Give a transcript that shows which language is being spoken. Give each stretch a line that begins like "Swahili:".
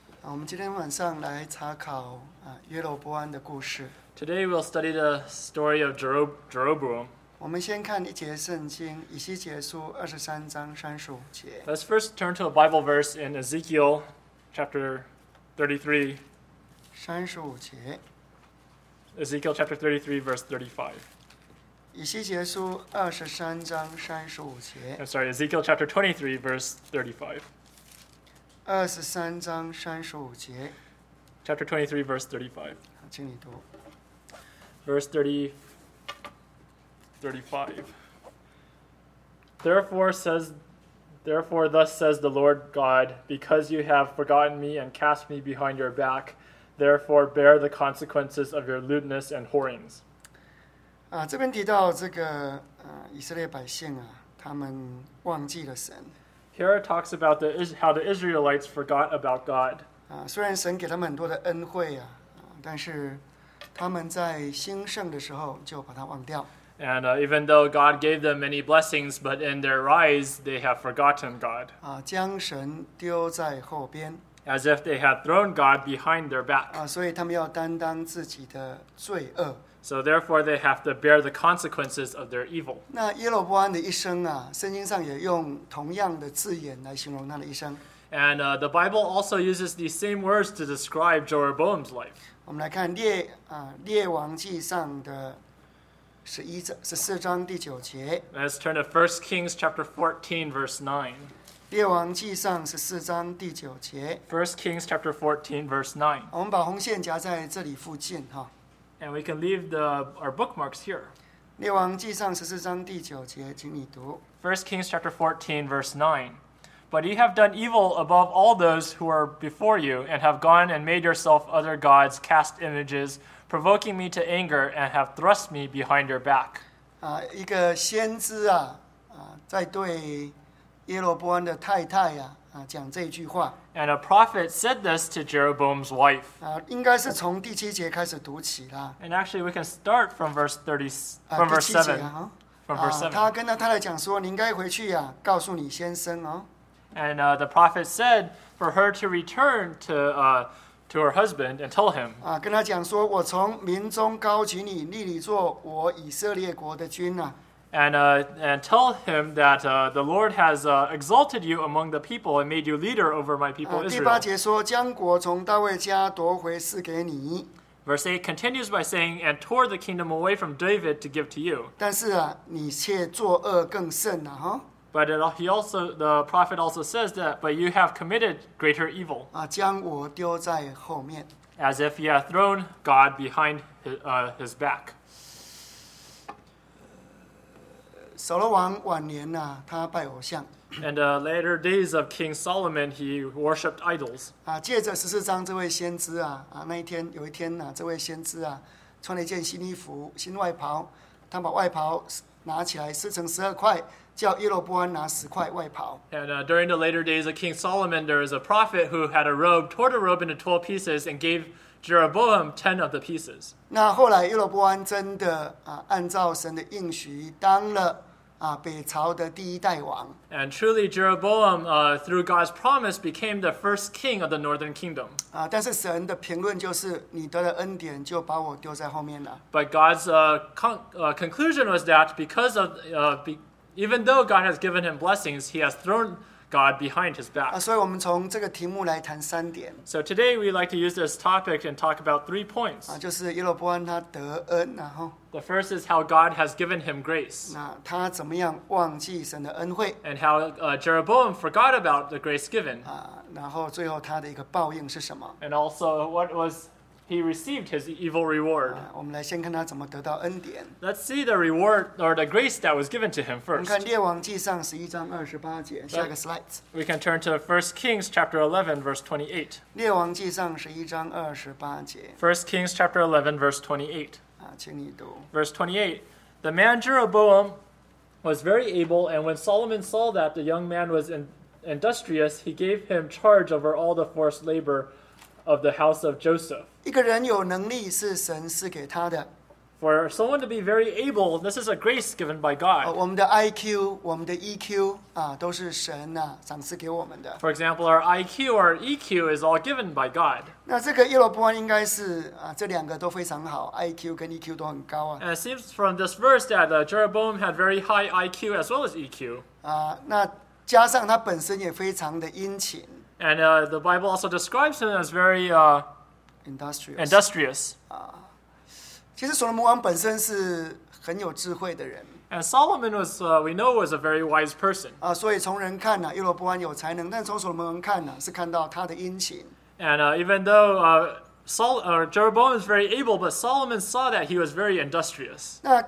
Chinese: 我们今天晚上来查考约罗伯安的故事。
English: Today we'll study the story of Jeroboam.
Chinese: 我们先看一节圣经，以西结书二十三章三十五节。
English: Let's first turn to a Bible verse in Ezekiel chapter 33.
Chinese: 三十五节。
English: Ezekiel chapter 33, verse 35.
Chinese: 以西结书二十三章三十五节。
English: I'm sorry, Ezekiel chapter 23, verse 35.
Chinese: 二十三章三十五节。
English: Chapter 23, verse 35.
Chinese: 请你读。
English: Verse 35. Therefore, thus says the Lord God, because you have forgotten me and cast me behind your back, therefore bear the consequences of your lewdness and whorings.
Chinese: 这边提到这个以色列百姓他们忘记了神。
English: Here it talks about how the Israelites forgot about God.
Chinese: 虽然神给他们很多的恩惠但是他们在兴盛的时候就把它忘掉。
English: And even though God gave them many blessings, but in their rise, they have forgotten God.
Chinese: 将神丢在后边。
English: As if they had thrown God behind their back.
Chinese: 所以他们要担当自己的罪恶。
English: So therefore, they have to bear the consequences of their evil.
Chinese: 那耶罗伯安的一生圣经上也用同样的字眼来形容他的一生。
English: And the Bible also uses the same words to describe Jeroboam's life.
Chinese: 我们来看列王记上的14章第九节。
English: Let's turn to 1 Kings chapter 14, verse 9.
Chinese: 列王记上14章第九节。
English: 1 Kings chapter 14, verse 9.
Chinese: 我们把红线夹在这里附近
English: And we can leave our bookmarks here.
Chinese: 列王记上十四章第九节，请你读。
English: First Kings chapter 14, verse 9. But you have done evil above all those who are before you, and have gone and made yourself other gods, cast images, provoking me to anger, and have thrust me behind your back.
Chinese: 一个先知在对耶罗伯安的太太讲这句话。
English: And a prophet said this to Jeroboam's wife.
Chinese: 应该是从第七节开始读起啦。
English: And actually, we can start from verse 7.
Chinese: 他跟他太太讲说，你应该回去告诉你先生。
English: And the prophet said for her to return to her husband and tell him.
Chinese: 跟他讲说，我从民中高举你，立你做我以色列国的君
English: And tell him that the Lord has exalted you among the people and made you leader over my people Israel.
Chinese: 第八节说，将国从大卫家夺回赐给你。
English: Verse 8 continues by saying, and tore the kingdom away from David to give to you.
Chinese: 但是你却作恶更甚
English: But the prophet also says that, but you have committed greater evil.
Chinese: 将我丢在后面。
English: As if he had thrown God behind his back.
Chinese: 所罗王晚年他拜偶像。
English: And the later days of King Solomon, he worshipped idols.
Chinese: 借着十四章这位先知那一天有一天这位先知穿了一件新衣服、新外袍，他把外袍拿起来撕成十二块，叫耶罗伯安拿十块外袍。
English: And during the later days of King Solomon, there is a prophet who had a robe, tore the robe into 12 pieces, and gave Jeroboam 10 of the pieces.
Chinese: 那后来耶罗伯安真的按照神的应许当了北朝的第一代王。
English: And truly Jeroboam, through God's promise, became the first king of the northern kingdom.
Chinese: 但是神的评论就是你得了恩典就把我丢在后面了。
English: But God's conclusion was that because of, even though God has given him blessings, he has thrown God behind his back.
Chinese: 所以我们从这个题目来谈三点。
English: So today we like to use this topic and talk about 3 points.
Chinese: 就是耶罗伯安他得恩
English: The first is how God has given him grace.
Chinese: 他怎么样忘记神的恩惠。
English: And how Jeroboam forgot about the grace given.
Chinese: 然后最后他的一个报应是什么。
English: And also what was he received his evil reward.
Chinese: 我们来先看他怎么得到恩典。
English: Let's see the reward or the grace that was given to him first.
Chinese: 我们看列王记上十一章二十八节，下个 slide.
English: We can turn to 1 Kings chapter 11 verse 28.
Chinese: 列王记上十一章二十八节。
English: 1 Kings chapter 11 verse 28.
Chinese: 请你读。
English: Verse 28, the man Jeroboam was very able, and when Solomon saw that the young man was industrious, he gave him charge over all the forced labor of the house of Joseph.
Chinese: 一个人有能力是神赐给他的。
English: For someone to be very able, this is a grace given by God.
Chinese: 我们的 IQ, 我们的 EQ, 都是神啊, 赏赐给我们的。
English: For example, our IQ or EQ is all given by God.
Chinese: 那这个耶罗波安应该是, 这两个都非常好, IQ跟EQ都很高啊。
English: And it seems from this verse that Jeroboam had very high IQ as well as EQ.
Chinese: 那加上他本身也非常的殷勤。
English: And the Bible also describes him as very industrious.
Chinese: 其实所罗门王本身是很有智慧的人。
English: And Solomon was, we know, was a very wise person.
Chinese: 所以从人看呢，耶罗波安有才能，但从所罗门看呢，是看到他的殷勤。
English: And even though Jeroboam is very able, but Solomon saw that he was very industrious.